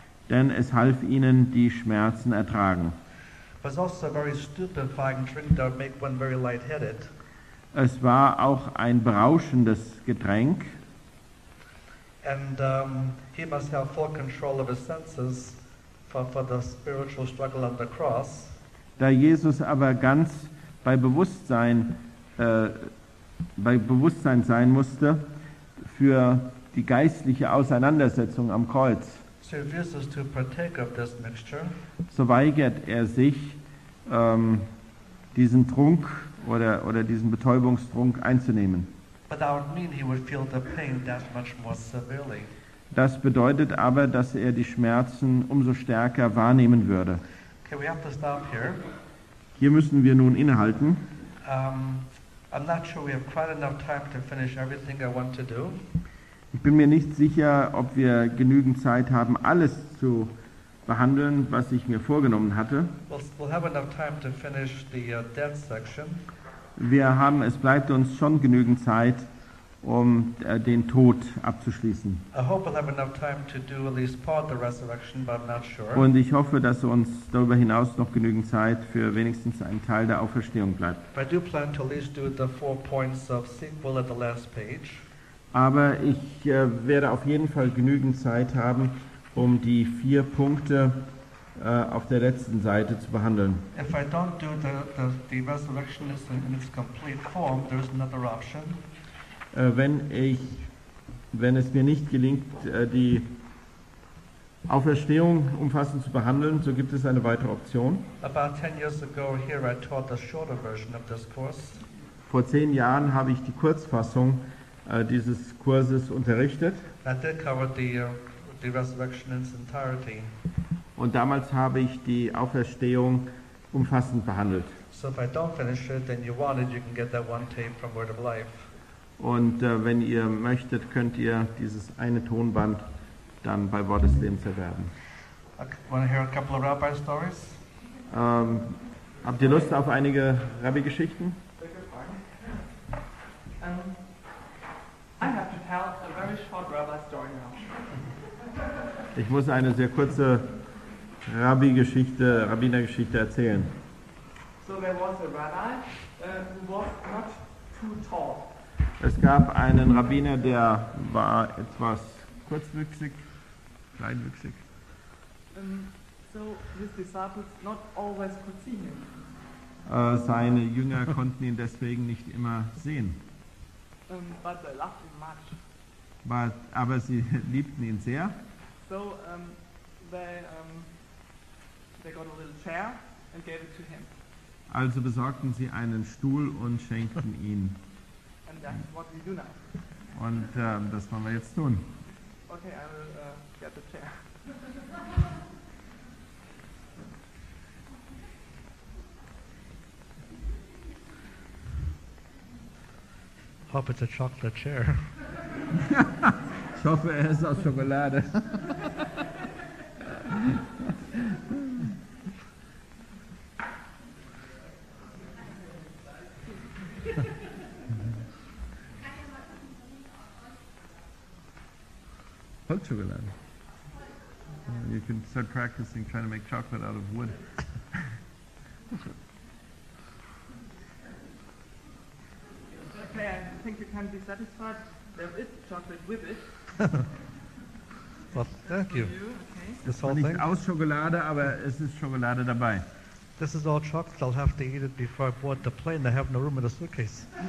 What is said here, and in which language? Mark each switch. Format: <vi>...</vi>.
<de>Denn es half ihnen, die Schmerzen ertragen.</de> <en>It was also a very stupefying drink that would make one very lightheaded.</en> <de>Es war auch ein berauschendes Getränk.</de> <en>And he must have full control of his senses for the spiritual struggle on the cross.</en> <de>Da Jesus aber ganz bei Bewusstsein sein musste für die geistliche Auseinandersetzung am Kreuz,</de> <en>so refuses to partake of this mixture.</en> <de>So weigert er sich, diesen Trunk oder diesen Betäubungstrunk einzunehmen.</de> <en>But that would mean he would feel the pain that much more severely.</en> <de>Das bedeutet aber, dass er die Schmerzen umso stärker wahrnehmen würde.</de> <en>Okay, we have to stop here.</en> <de>Hier müssen wir nun innehalten.</de> <en>I'm not sure we have quite enough time to finish everything I want to do.</en> <de>Ich bin mir nicht sicher, ob wir genügend Zeit haben, alles zu behandeln, was ich mir vorgenommen hatte.</de> <en>We'll have enough time to finish the death section.</en> <de>Es bleibt uns schon genügend Zeit, um den Tod abzuschließen.</de> <en>I hope we'll have enough time to do at least part of the resurrection, but I'm not sure.</en> <de>Und ich hoffe, dass uns darüber hinaus noch genügend Zeit für wenigstens einen Teil der Auferstehung bleibt.</de> <en>But I do plan to at least do the four points of sequel at the last page.</en> <de>Aber ich werde auf jeden Fall genügend Zeit haben, um die vier Punkte auf der letzten Seite zu behandeln.</de> <en>If I don't do the resurrection in its complete form, there's another option.</en> <de>Wenn es mir nicht gelingt, die Auferstehung umfassend zu behandeln, so gibt es eine weitere Option.</de> <en>About 10 years ago here I taught the shorter version of this course.</en> <de>Vor 10 Jahren habe ich die Kurzfassung dieses Kurses unterrichtet.</de> <en>That did cover the resurrection in its entirety.</en> <de>Und damals habe ich die Auferstehung umfassend behandelt.</de> <en>So if I don't finish it, then you want it, you can get that one tape from Word of Life.</en> <de>Und wenn ihr möchtet, könnt ihr dieses eine Tonband dann bei Wort des Lebens erwerben.</de> <en>Want to hear a couple of rabbi stories?</en> <de>Habt ihr Lust auf einige Rabbi-Geschichten?</de> <en>I have to tell a very short rabbi story now.</en> <de>Ich muss eine sehr kurze Rabbinergeschichte erzählen.</de> <en>So there was a rabbi who was not too tall.</en> <de>Es gab einen Rabbiner, der war etwas kurzwüchsig, kleinwüchsig.</de> <en>So his disciples not always could see him.</en> <de>Seine Jünger konnten ihn deswegen nicht immer sehen.</de> <en>But they loved him much.</en> <de>Aber sie liebten ihn sehr.</de> <en>So they got a little chair and gave it to him.</en> <de>Also besorgten sie einen Stuhl und schenkten ihn.</de> <en>What we do now.</en> <de>Und das wollen wir jetzt tun.</de> <en>Okay, I will get the chair. Hope it's a chocolate chair.</en> <de>Ich hoffe, er ist aus Schokolade.</de> <en>You can start practicing trying to make chocolate out of wood. Okay, I think you can be satisfied. There is chocolate with it. Well, thank you.</en> <de>Das war nicht aus Schokolade, aber es ist Schokolade dabei.</de> <en>This is all chocolate. I'll have to eat it before I board the plane. I have no room in the suitcase.</en>